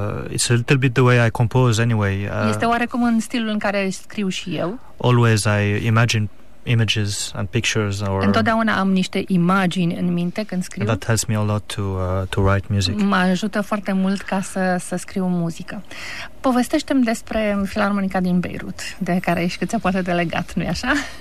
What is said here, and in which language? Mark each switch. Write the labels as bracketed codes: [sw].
[en] It's a little bit the way I compose anyway. [ro] Este oarecum în stilul în care scriu și eu. [en] Always I imagine images and pictures, or [ro] întotdeauna am niște imagini în minte când scriu. [en] That helps me a lot to write music. [ro] Mă ajută foarte mult ca să scriu muzică. Povestește-mi despre Filarmonica din Beirut, de care ești cât se poate de legat, nu-i așa?